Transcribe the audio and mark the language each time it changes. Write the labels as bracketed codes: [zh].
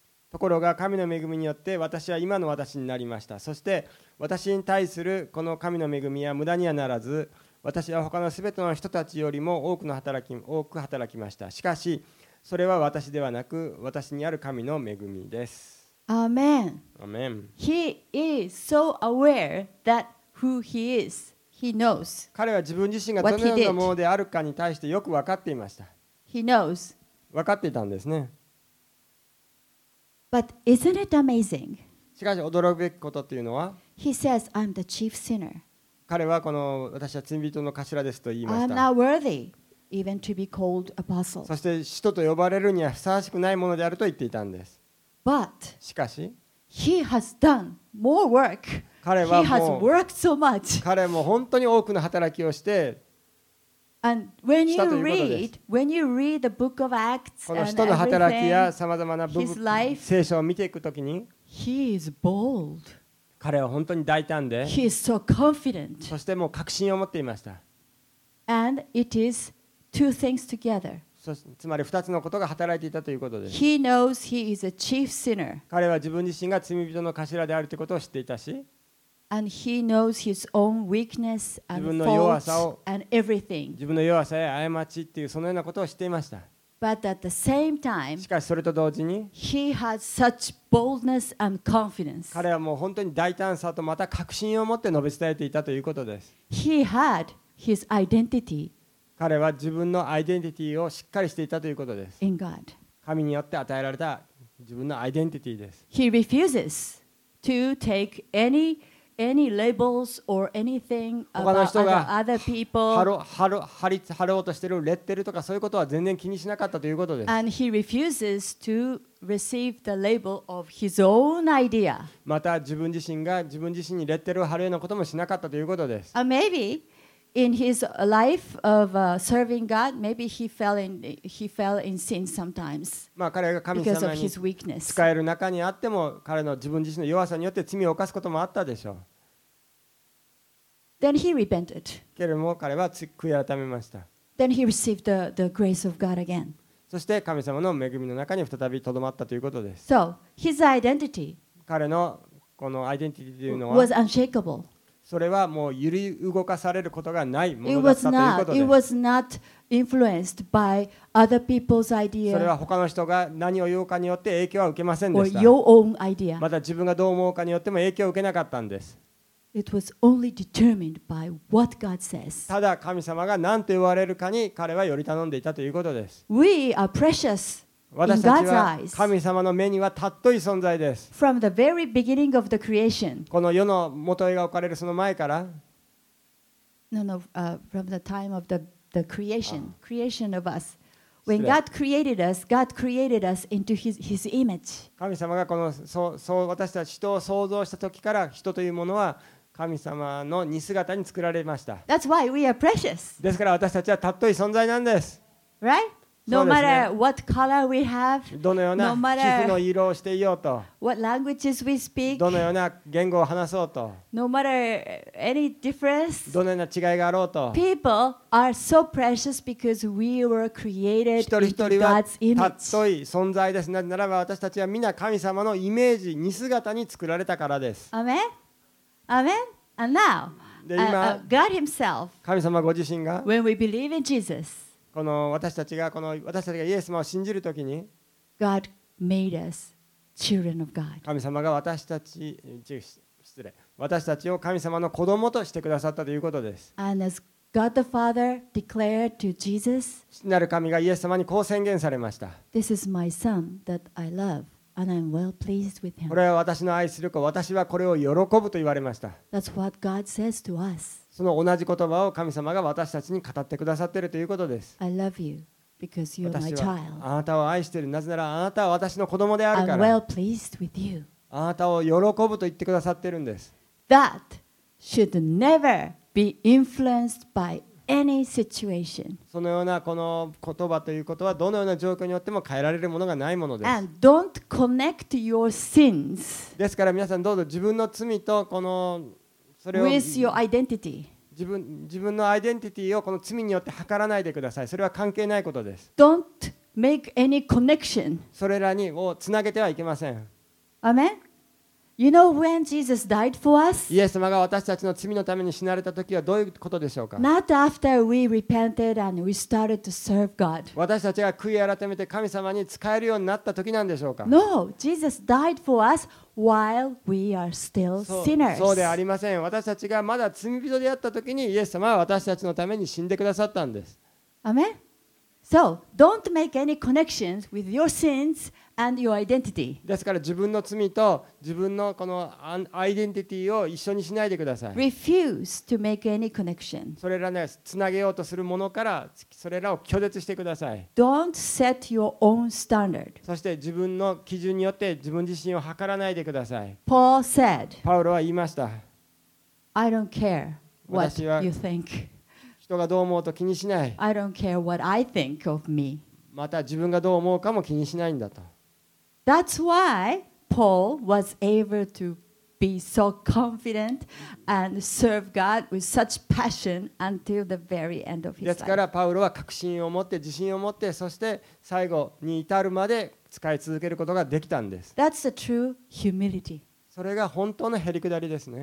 [ja] ところが神の恵みによって私は今の私になりました。そして私に対するこの神の恵みは無駄にはならず、私は他のすべての人たちよりも多く働きました。しかし、それは私ではなく、私にある神の恵みです。アーメン。アーメン。 [en] He is so aware that who he is. He knows. [ja] 彼は自分自身がどのようなものであるかに対してよく分かっていました。 [en] He knows. [ja] 分かっていたんですね。 [en] But isn't it amazing? [ja] しかし、驚くべきことというのは、 [en] He says, I'm the chief sinner. [ja] 彼はこの私は罪人の頭ですと言いました。そして使徒と呼ばれるにはふさわしくないものであると言っていたんです。 [en] But、 [ja] しかし、 [en] he has done more work. [ja] 彼はもう、 [en] he has worked so much. [ja] 彼も本当に多くの働きをして、 [en] and when you read, when you read the book of Acts, [ja] この使徒の働きやさまざまな聖書を見ていくときに、 [en] he is bold. [ja] 彼は本当に大胆で、 [en] He is so confident. [ja] そしてもう確信を持っていました。 [en] And it is two things together. [ja] つまり二つのことが働いていたということです。 [en] He knows he is a chief sinner. [ja] 彼は自分自身が罪人の頭であるということを知っていたし、 [en] And he knows his own weakness and faults and everything. [ja] 自分の弱さや過ちっていうそのようなことを知っていました。 [en] But at the same time, [ja] しかしそれと同時に、 [en] he has such boldness and confidence. [ja] 彼はもう本当に大胆さとまた確信を持って述べ伝えていたということです。 [en] He had his identity. [ja] 彼は自分のアイデンティティをしっかりしていたということです。 [en] In God. [ja] 神によって与えられた自分のアイデンティティです。 [en] He refuses to take any labels or anything about other people. [ja] 貼ろうとしているレッテルとかそういうことは全然気にしなかったということです。 [en] And he refuses to receive the label of his own idea. [ja] また自分自身が自分自身にレッテルを貼るようなこともしなかったということです。 [en] And maybe in his life of serving God, maybe he fell in sin sometimes. [ja] まあ彼が神様に仕える中にあっても、彼の自分自身の弱さによって罪を犯すこともあったでしょう。 [en] Then he repented. [ja] けれども彼は悔い改めました。 [en] Then he received the grace of God again. [ja] そして神様の恵みの中に再びとどまったということです。 [en] So his identity. [ja] 彼のこのアイデンティティというのは [en] was unshakable. [ja] それはもう揺り動かされることがないものだったということです。 [en] It was not influenced by other people's idea. [ja] それは他の人が何を言うかによって影響は受けませんでした。 [en] Or your own idea. [ja] また自分がどう思うかによっても影響を受けなかったんです。 [en] It was only determined by what God says. [ja] ただ神様が何と言われるかに彼はより頼んでいたということです。 [en] We are precious. [ja] 私たちは神様の目にはたっとい存在です。 [en] From the very beginning of the creation, [ja] この世の元へが置かれるその前から、 [en] from the time of the creation of us, when God created us, God created us into His image. [ja] 神様がこの私たち人を創造した時から人というものは神様の似姿に作られました。 [en] That's why we are precious. [ja] ですから私たちはたっとい存在なんです。 [en] Right? No matter what color we have, [ja] どのような皮膚の色をしていようと、 [en] what languages we speak, [ja] どのような言語を話そうと、 [en] no matter any difference, [ja] どのような違いがあろうと、 [en] people are so precious because we were created into God's image. [ja] 一人一人はたっとい存在です。なぜならば私たちはみんな神様のイメージ、似姿に作られたからです。 [en] Amen? Amen? And now, [ja] で今、 [en] God Himself, [ja] 神様ご自身が、 [en] when we believe in Jesus, [ja] この私たちがイエス様を信じるときに、 [en] God made us children of God. [ja] 神様が私たちを神様の子供としてくださったということです。 [en] And as God the Father declared to Jesus, [ja] 父なる神がイエス様にこう宣言されました。 [en] This is my son that I love, and I'm well pleased with him. [ja] これは私の愛する子、私はこれを喜ぶと言われました。 [en] That's what God says to us. [ja] その同じ言葉を神様が私たちに語ってくださっているということです。 [en] I love you because you're my child. [ja] 私はあなたを愛している。なぜならあなたは私の子供であるから。 [en] I'm well pleased with you. [ja] あなたを喜ぶと言ってくださっているんです。 [en] That should never. Be influenced by any situation. [ja] そのようなこの言葉ということはどのような状況によっても変えられるものがないものです。 [en] And don't connect your sins. [ja] ですから皆さんどうぞ自分の罪とこのそれを [en] with your identity. [ja] 自分のアイデンティティをこの罪によって測らないでください。それは関係ないことです。 [en] Don't make any connection. [ja] それらにをつなげてはいけません。 [en] Amen. You know when Jesus died for us? [ja] イエス様が私たちの罪のために死なれた時はどういうことでしょうか? [en] Not after we repented and we started to serve God. [ja] 私たちが悔い改めて神様に仕えるようになった時なんでしょうか? [en] No, Jesus died for us while we are still sinners. [ja] そうではありません。私たちがまだ罪人であった時にイエス様は私たちのために死んでくださったんです。 [en] Amen? So, don't make any connections with your sins. And your identity. [ja] ですから自分の罪と自分のこのアイデンティティを一緒にしないでください。 [en] Refuse to make any connection. [ja] それらね、つなげようとするものからそれらを拒絶してください。 [en] Don't set your own standard. [ja] そして自分の基準によって自分自身を測らないでください。 [en] Paul said. [ja] パウロは言いました。 [en] I don't care what you think. [ja] 人がどう思うと気にしない。 [en] I don't care what I think of me. [ja] また自分がどう思うかも気にしないんだと。 [en] That's why Paul was able to be so confident and serve God with such passion until the very end of his life. [ja] ですからパウロは確信を持って自信を持ってそして最後に至るまで使い続けることができたんです。 [en] That's the true humility. [ja] それが本当のへりくだりですね。